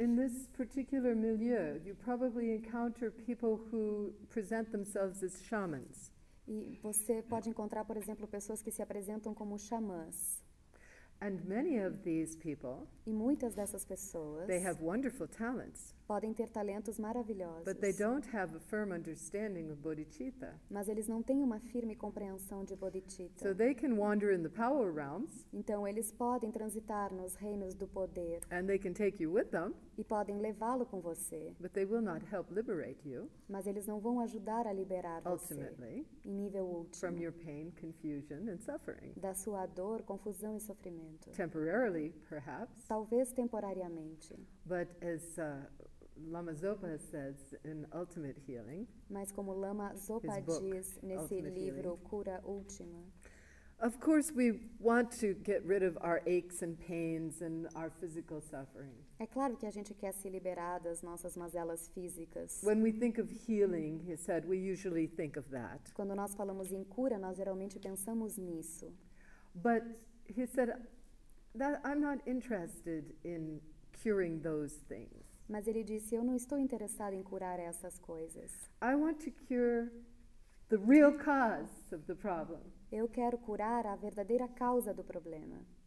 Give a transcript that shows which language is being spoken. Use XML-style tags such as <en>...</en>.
<en>In this particular milieu, you probably encounter people who present themselves as shamans.</en> <pt>E você pode encontrar, por exemplo, pessoas que se apresentam como xamãs.</pt> <en>And many of these people,</en> <pt>e muitas dessas pessoas,</pt> <en>they have wonderful talents,</en> <pt>podem ter talentos maravilhosos,</pt> <en>but they don't have a firm understanding of bodhicitta.</en> <pt>Mas eles não têm uma firme compreensão de bodhicitta.</pt> <en>So they can wander in the power realms,</en> <pt>então eles podem transitar nos reinos do poder,</pt> <en>and they can take you with them,</en> <pt>e podem levá-lo com você,</pt> <en>but they will not help liberate you,</en> <pt>mas eles não vão ajudar a liberar</pt> <en>ultimately,</en> <pt>você, em nível último,</pt> <en>from your pain, confusion, and suffering.</en> <pt>Da sua dor, confusão e sofrimento.</pt> <en>Temporarily, perhaps.</en> <pt>Talvez temporariamente.</pt> <en>But as Lama Zopa says in Ultimate Healing,</en> <pt>mas como Lama Zopa</pt> <en>book,</en> <pt>diz nesse</pt> <en>Ultimate</en> <pt>livro</pt> <en>Healing,</en> <pt>Cura Última.</pt> <en>Of course, we want to get rid of our aches and pains and our physical suffering.</en> <pt>É claro que a gente quer se liberar das nossas mazelas físicas.</pt> <en>When we think of healing, he said, we usually think of that.</en> <pt>Quando nós falamos em cura, nós geralmente pensamos nisso.</pt> <en>But he said that I'm not interested in curing those things.</en> <pt>Mas ele disse, eu não estou interessado em curar essas coisas.</pt> <en>I want to cure the real cause of the problem.</en> <pt>Eu quero curar a verdadeira causa do problema.</pt>